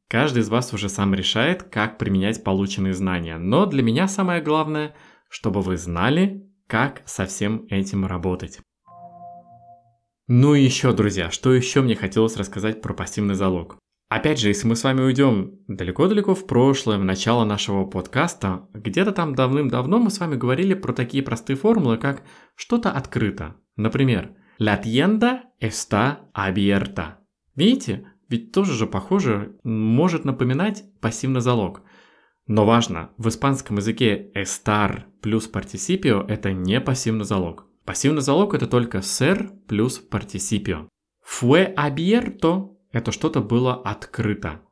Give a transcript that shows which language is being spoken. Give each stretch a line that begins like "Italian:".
Russian: Каждый из вас уже сам решает, как применять полученные знания, но для меня самое главное, чтобы вы знали, как со всем этим работать. Ну и еще, друзья, что еще мне хотелось рассказать про пассивный залог? Опять же, если мы с вами уйдем далеко-далеко в прошлое, в начало нашего подкаста, где-то там давным-давно мы с вами говорили про такие простые формулы, как что-то открыто.
Spanish: Например, «La tienda está abierta».
Russian: Видите? Ведь тоже же похоже, может напоминать пассивный залог. Но важно, в испанском языке «estar» плюс «participio» — это не пассивный залог. Пассивный залог — это только «ser» плюс «participio».
Spanish: «Fue abierto»
Russian: это что-то было открыто.